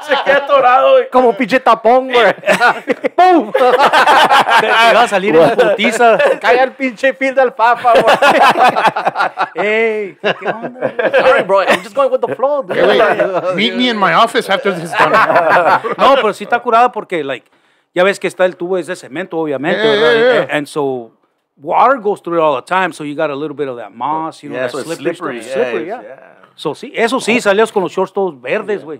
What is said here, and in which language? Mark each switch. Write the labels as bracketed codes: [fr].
[es] Se queda atorado. Como pinche tapón, güey. Boom. Te va a salir en putiza. Cae el pinche fil del papa, güey. Hey. [en] Sorry, bro. I'm just going with the flow, dude. Hey, meet me in my office after this is done. [es] No, pero sí está curada porque, [en] like, [es] ya ves que está el tubo es de cemento, obviamente. [en] Yeah, [es] ¿verdad? [en] Yeah, yeah. And so water goes through it all the time, so you got a little bit of that moss, you know, yeah, that so slippery. Slippery, yeah. Slippery, yeah. So [es] sí, eso sí, salías con los shorts todos verdes, güey.